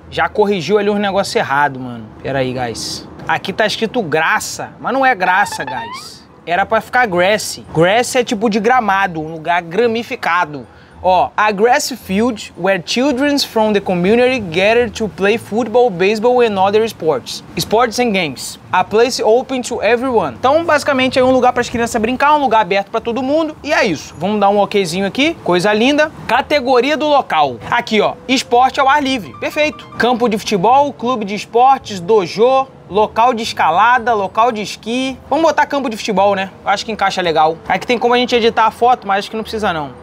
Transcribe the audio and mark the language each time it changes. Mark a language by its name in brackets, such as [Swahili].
[Portuguese] Já corrigiu ali um negócio errado, mano. Pera aí, guys. Aqui tá escrito graça, mas não é graça, guys. Era pra ficar grassy. Grassy é tipo de gramado, um lugar gramificado. [English] Ó, a grass field where children from the community gather to play football, baseball and other sports. Sports and games. A place open to everyone. [Portuguese] Então, basicamente, é um lugar para as crianças brincar, um lugar aberto para todo mundo. E é isso. Vamos dar um okzinho aqui. Coisa linda. Categoria do local. Aqui, ó. Esporte ao ar livre. Perfeito. Campo de futebol, clube de esportes, dojo, local de escalada, local de esqui. Vamos botar campo de futebol, né? Acho que encaixa legal. Aqui tem como a gente editar a foto, mas acho que não precisa, não.